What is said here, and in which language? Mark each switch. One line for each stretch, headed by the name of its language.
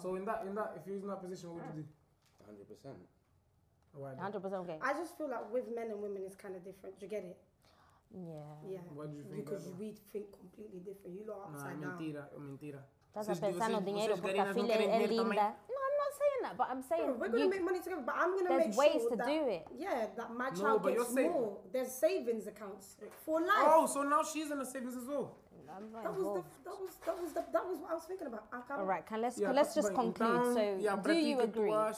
English: So in that, if you're in that position, what would you do? 100%. 100% gain. I just feel like with men and women, it's kind of different. Do you get it? Yeah. What do you think? Because we think completely different. You lot are upside down.
Portuguese: Mentira. Estás a pensar no dinheiro porque a filha é linda.
English: Saying that, but I'm saying we're gonna make money together, but I'm gonna make sure there's ways to that, do it. Yeah, that my child gets more. There's savings accounts for life. Oh, so now she's in the savings as well. That was what I was thinking about. All right, let's just conclude. So, do you agree?